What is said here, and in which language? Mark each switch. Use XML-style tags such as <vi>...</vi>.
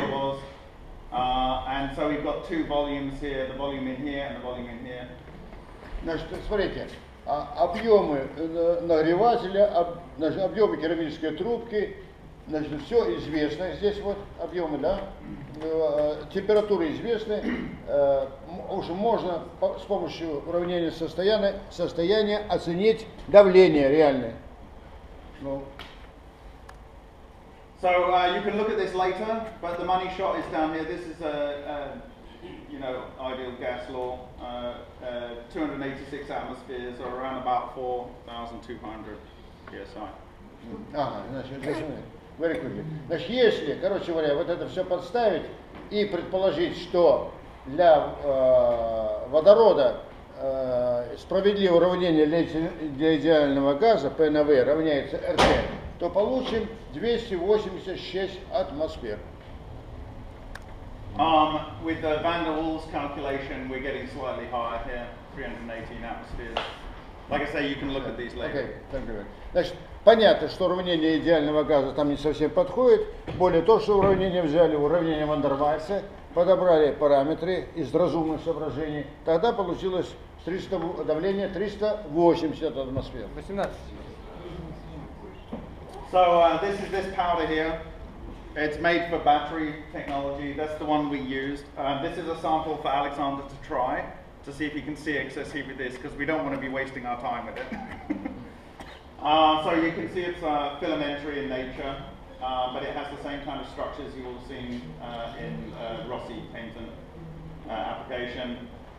<en>And so we've got two volumes here, the volume in here and the volume in here.</en> <ru>Значит, смотрите, объемы нагревателя, значит, объемы керамической трубки, значит, все известно здесь вот, объемы, да? Температуры известны, уже можно с помощью уравнения состояния оценить давление реальное. Ну.</ru> <en>So you can look at this later, but the money shot is down here. This is ideal gas law, 286 atmospheres, or around about 4,200 PSI. Very quickly.</en> <ru>Значит, если, короче говоря, вот это все подставить и предположить, что для водорода справедливое уравнение для идеального газа PnV равняется RT, то получим 286 атмосфер.</ru> <en>With the van der Waals calculation, we're getting slightly higher here, 318 atmospheres. Like I say, you can look at these later. Okay, thank you.</en> <ru>Значит, понятно, что уравнение идеального газа там не совсем подходит. Более то, что уравнение взяли, уравнение ван дер Вальса, подобрали параметры из разумных соображений. Тогда получилось 300, давление 380 атмосфер. 18.</ru> <en>So this is this powder here. It's made for battery technology. That's the one we used. This is a sample for Alexander to try. to see if he can see excess heat with this, because we don't want to be wasting our time with it. So you can see it's filamentary in nature, but it has the same kind of structures you will have seen in Rossi painting application.</en>